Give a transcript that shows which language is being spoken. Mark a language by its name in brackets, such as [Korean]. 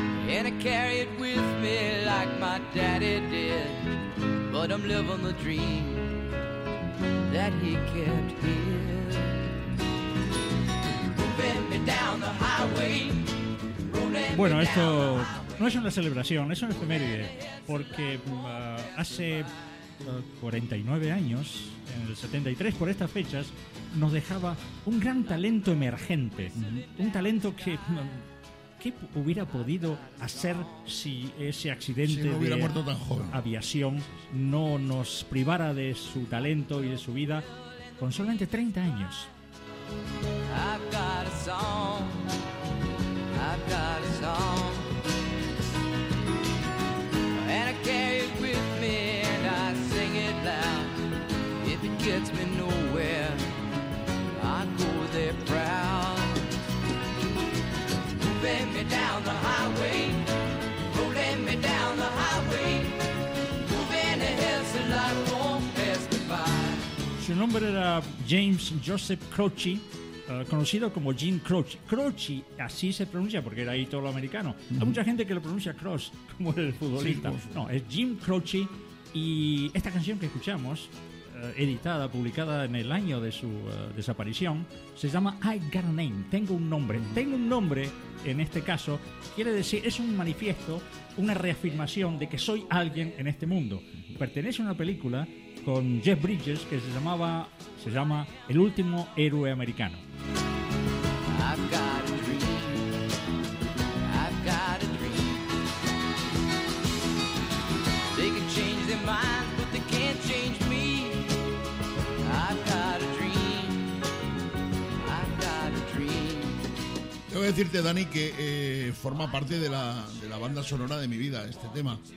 [English] And I carry it with me like my daddy did. But I'm living the dream that he kept here. Moving me down the highway. [Spanish] Bueno, esto no es una celebración, es un efeméride, porque hace 49 años, en el 73, por estas fechas, nos dejaba un gran talento emergente, un talento que... ¿Qué hubiera podido hacer si ese accidente si no hubiera muerto tan joven de aviación no nos privara de su talento y de su vida con solamente 30 años? [English] I've got a song. I've got a song. And I carry it with me and I sing it loud. If it gets me nowhere, I go there proud. Moving me down the highway, rolling me down the highway, moving ahead so life won't pass me by. [Spanish] Su nombre era James Joseph Croce. Conocido como Jim Croce. Croce, así se pronuncia porque era italoamericano. Mm-hmm. Hay mucha gente que lo pronuncia Croce como el futbolista. Sí, pues, no, es Jim Croce. Y esta canción que escuchamos, editada, publicada en el año de su desaparición, se llama I Got a Name. Tengo un nombre. Mm-hmm. Tengo un nombre, en este caso, quiere decir, es un manifiesto, una reafirmación de que soy alguien en este mundo. Mm-hmm. Pertenece a una película con Jeff Bridges que se llamaba, se llama El Último Héroe Americano. [English] I've got a dream. I've got a dream. They can change their mind, but they can't change me. I've got a dream. I've got a dream. [Spanish] Yo que decirte, Dani, que forma parte de la banda sonora de mi vida, este tema.